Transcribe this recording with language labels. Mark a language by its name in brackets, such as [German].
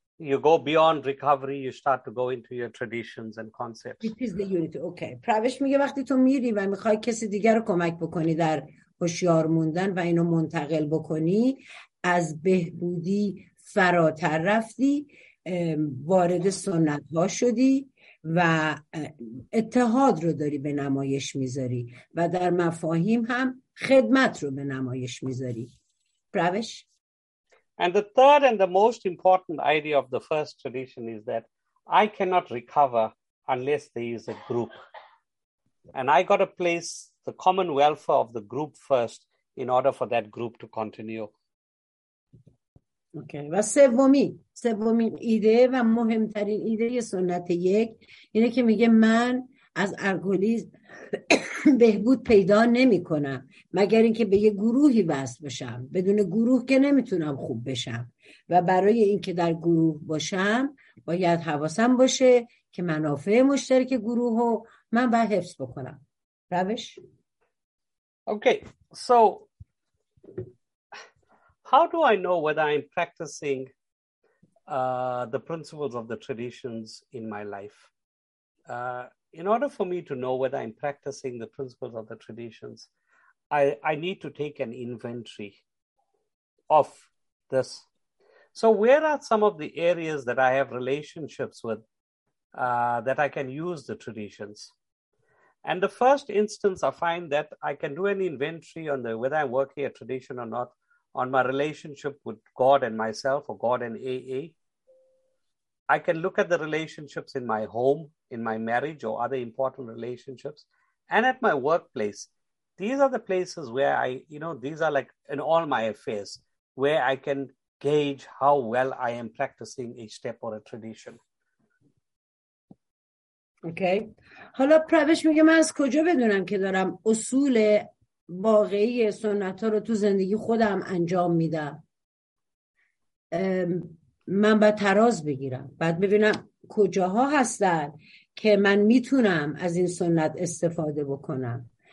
[English] You go beyond recovery, you start to go into your traditions and concepts. It is the unity. Okay. [Persian] پروش میگه وقتی تو میری و میخوای کسی دیگر رو کمک بکنی در هوشیار موندن و اینو منتقل بکنی، از بهبودی فراتر رفتی، وارد سنت ها شدی و اتحاد رو داری به نمایش میذاری و در مفاهیم هم خدمت رو به نمایش میذاری. پروش. [English] And the third and the most important idea of the first tradition is that I cannot recover unless there is a group. And I got to place the common welfare of the group first in order for that group to continue. Okay. [Persian] و سومین ایده و مهمترین ایده سنت یک اینه که میگه من از الکلیسم بهبود پیدا نمی کنم مگر اینکه به یه گروهی وصل بشم. بدون گروه که نمیتونم خوب بشم، و برای اینکه در گروه باشم باید حواسم باشه که منافع مشترک گروه رو من باید حفظ بکنم. روش. [English] Okay. So how do I know whether I'm practicing the principles of the traditions in my life? In order for me to know whether I'm practicing the principles of the traditions, I need to take an inventory of this. So where are some of the areas that I have relationships with that I can use the traditions? And the first instance, I find that I can do an inventory on the whether I'm working a tradition or not, on my relationship with God and myself, or God and AA. I can look at the relationships in my home, in my marriage, or other important relationships, and at my workplace. these are the places where I, you know, these are like in all my affairs where I can gauge how well I am practicing a step or a tradition. Okay. [Persian] حالا پروش میگه من از کجا بدونم که دارم اصول واقعی سنت ها رو تو زندگی خودم انجام میدم. من باید تراز بگیرم. بعد ببینم کجاها هستن که من میتونم از این سنت استفاده بکنم.